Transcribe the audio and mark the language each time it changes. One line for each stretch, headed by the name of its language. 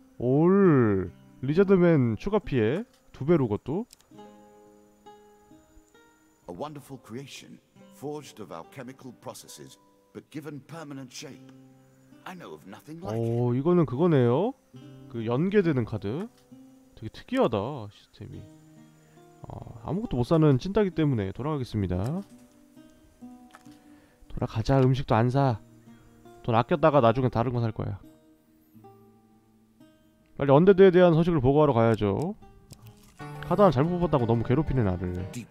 Korean: 올 리자드맨 추가 피해 두 배로 그것도.
English: A wonderful creation, forged of alchemical processes, but given permanent shape. I know of nothing like it.
Korean: 이거는 그거네요. 그 연계되는 카드. 되게 특이하다 시스템이. 아무것도 못 사는 찐따기 때문에 돌아가겠습니다. 돌아가자. 음식도 안 사. 돈 아꼈다가 나중에 다른 거 살 거야. 빨리 언데드에 대한 소식을 보고하러 가야죠. 카드 하나 잘못 뽑았다고 너무 괴롭히네 나를.